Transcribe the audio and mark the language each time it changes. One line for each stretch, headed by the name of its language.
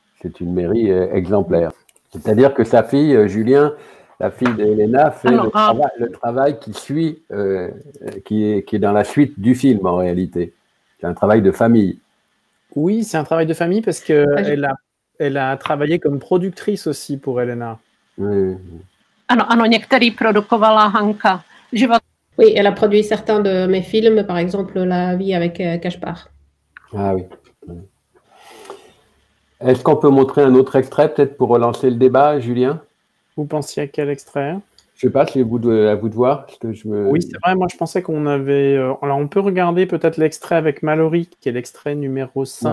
French: C'est une mairie exemplaire. C'est-à-dire que sa fille, Julien, la fille d'Elena, fait le travail qui suit, qui est dans la suite du film en réalité. C'est un travail de famille. Oui, c'est un travail de famille parce qu'elle a travaillé comme productrice aussi pour Elena.
Czech: Ano, některý produkovala Hanka.
French: Oui, elle a produit certains de mes films, par exemple La vie avec Kaspar. Ah oui. Est-ce qu'on peut montrer un autre extrait, peut-être pour relancer le débat, Julien? Vous pensiez à quel extrait? Je ne sais pas, c'est à vous de voir. Oui, c'est vrai, moi je pensais qu'on avait... Alors, on peut regarder peut-être l'extrait avec Mallory, qui est l'extrait numéro 5.